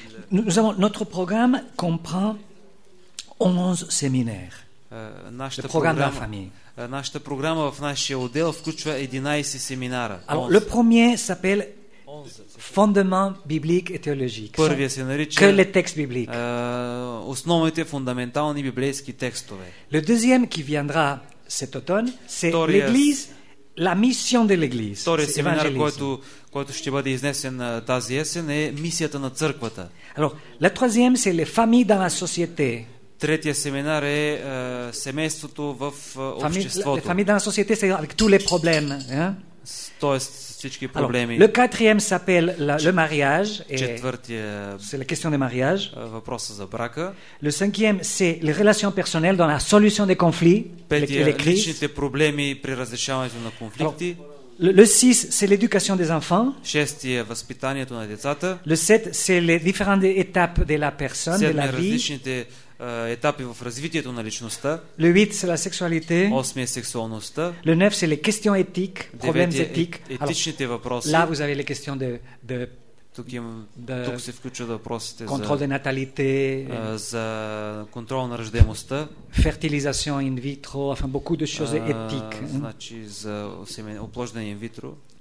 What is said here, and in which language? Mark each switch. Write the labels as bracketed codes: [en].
[fr] Nous avons, notre programme comprend 11 séminaires. Le programme de la famille. Notre programme dans notre [bg] отдел включва [fr] 11 séminaires. Alors, le premier s'appelle Fondement biblique et théologique. [bg] Първия се нарича, [fr] que les textes bibliques. [bg] Основните фундаментални библейски текстове. [fr] Le deuxième qui viendra cet automne, c'est l'Église, la mission de l'Église. [bg] Вторият семинар, който ще бъде изнесен тази есен, е мисията на църквата. [fr] Alors, la troisième, c'est les familles dans la société. [bg] Третия семинар е семейството в обществото. [fr] Les familles dans la société, c'est avec tous les problèmes. [bg] Тоест, всички проблеми. [fr] Alors, le quatrième s'appelle le mariage. [bg] Четвъртия, [fr] c'est la question des mariages. [bg] Въпроса за брака. [fr] Le cinquième, c'est les relations personnelles dans la solution des conflits. [bg] Петия, [fr] les crises. [bg] Личните проблеми при разрешаването на конфликти. [fr] Le six, c'est l'éducation des enfants. [bg] Шестия, възпитанието на децата. [fr] Le sept, c'est les différentes étapes de la personne, de la vie. [bg] Различните етапи в развитието на личността. [fr] Le 8, c'est la sexualité. [bg] Осмия, сексуалността. [fr] Le 9, c'est les questions éthiques, problèmes éthiques. [bg] Етичните въпроси. [fr] Là, vous avez les questions de [bg] Тук, тук се включват въпросите контрол за, наталите, за контрол на раждаемостта, фертилизация ин витро, [fr] enfin beaucoup de choses éthiques. [bg] Значи за оплождане ин витро.